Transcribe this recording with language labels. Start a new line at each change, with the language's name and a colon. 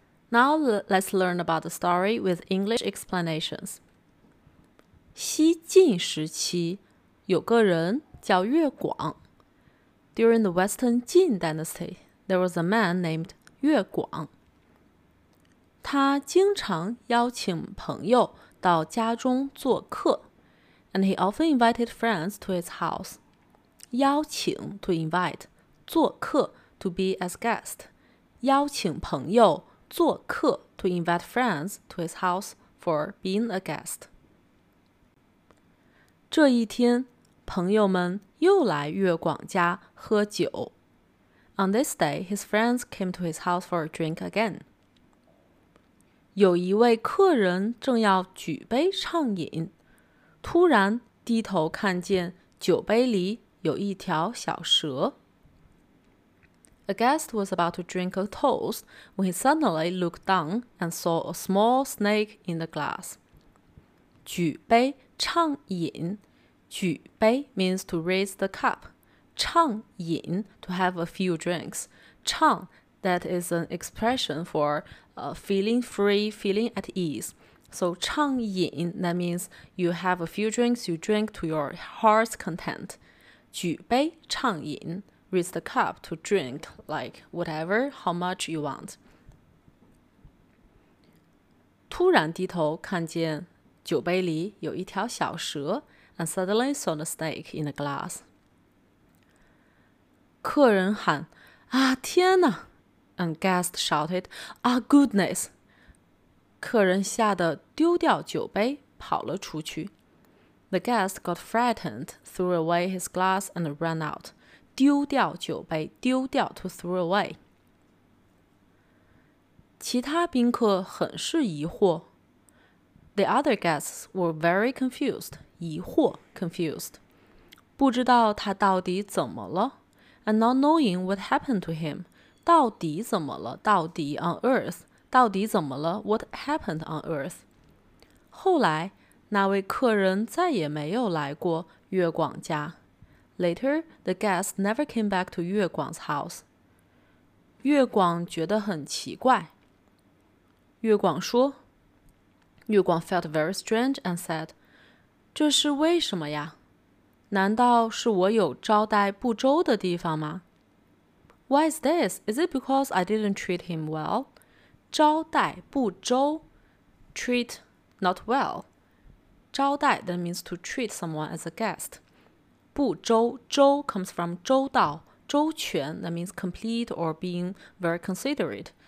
English: Now let's learn about the story with English explanations.
Chinese: 西晋时期，有个人叫月广。
English: During the Western Jin Dynasty, there was a man named 月广。
Chinese: 他经常邀请朋友到家中做客。
English: And he often invited friends to his house. 邀请 to invite, 做客 to be as guest.
Chinese: 邀请朋友做客
English: to invite friends to his house for being a guest.
Chinese: 这一天朋友们又来月广家喝酒。
English: On this day, his friends came to his house for a drink again.
Chinese: 有一位客人正要举杯畅饮。突然低头看见酒杯里有一条小蛇。
English: A guest was about to drink a toast when he suddenly looked down and saw a small snake in the glass.
Chinese: 举杯畅饮，
English: 举杯 means to raise the cup.
Chinese: 畅饮
English: to have a few drinks. 畅 that is an expression for feeling free, feeling at ease. So, 畅饮, that means you have a few drinks, you drink to your heart's content.
Chinese: 举杯畅饮,
English: raise the cup to drink, like whatever, how much you want.
Chinese: 突然低头看见酒杯里有一条小蛇,
English: and suddenly saw the snake in the glass.
Chinese: 客人喊, 啊天哪!
English: And guest shouted, 啊 goodness!
Chinese: 客人吓得丢掉酒杯跑了出去。
English: The guest got frightened, threw away his glass and ran out.
Chinese: 丢掉酒杯，
English: 丢掉 to throw away.
Chinese: 其他宾客很是疑惑。
English: The other guests were very confused,
Chinese: 疑惑 confused. 不知道他到底怎么了。
English: And not knowing what happened to him,
Chinese: 到底怎么了，到底
English: on earth,
Chinese: 到底怎么了?
English: What happened on earth?
Chinese: 后来,那位客人再也没有来过月广家。
English: Later, the guest never came back to 月广's house.
Chinese: 月广觉得很奇怪。月广说,
English: 月广 felt very strange and said,
Chinese: 这是为什么呀? 难道是我有招待不周的地方吗?
English: Why is this? Is it because I didn't treat him well?
Chinese: 招待不周
English: treat not well. 招待 that means to treat someone as a guest.
Chinese: 不周周
English: comes from
Chinese: 周到周全
English: that means complete or being very considerate.